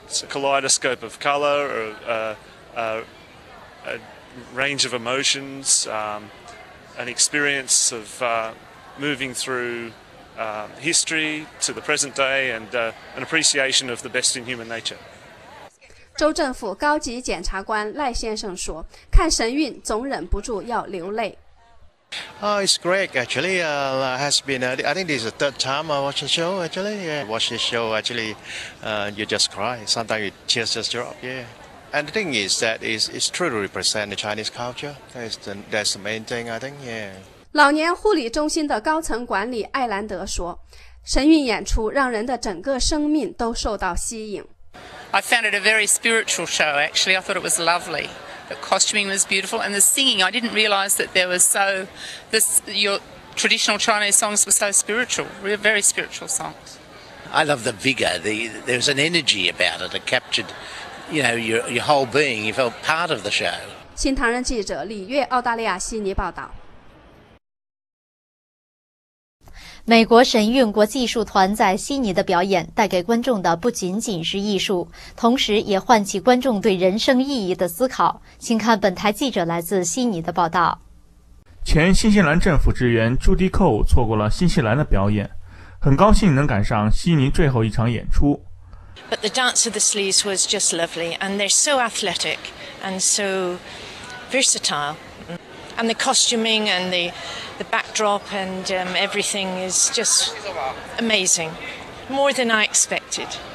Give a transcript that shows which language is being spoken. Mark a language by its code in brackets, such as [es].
[en] It's a kaleidoscope of color, a range of emotions, an experience of moving through history to the present day, and an appreciation of the best in human nature. [zh] 州政府高级检察官赖先生说，看神韵总忍不住要流泪。 [en] Oh, it's great, actually. I think this is the third time I watch the show, actually. Yeah, watch the show, actually, you just cry. Sometimes your tears just drop, yeah. And the thing is that it's truly represent the Chinese culture. That's the main thing, I think, yeah. [zh] 老年护理中心的高层管理艾兰德说，神韵演出让人的整个生命都受到吸引。 [en] I found it a very spiritual show, actually. I thought it was lovely. The costuming was beautiful, and the singing, I didn't realize that there was so, your traditional Chinese songs were so spiritual, very spiritual songs. I love the vigor, there was an energy about it, it captured, you know, your whole being, you felt part of the show. [zh] 新唐人记者李月，澳大利亚悉尼报道。美国神韵国际艺术团在悉尼的表演带给观众的不仅仅是艺术，同时也唤起观众对人生意义的思考。请看本台记者来自悉尼的报道。前新西兰政府职员朱迪·寇错过了新西兰的表演，很高兴能赶上悉尼最后一场演出。 [en] But the dance of the sleeves was just lovely, and they're so athletic and so versatile. And the costuming and the backdrop and everything is just amazing, more than I expected.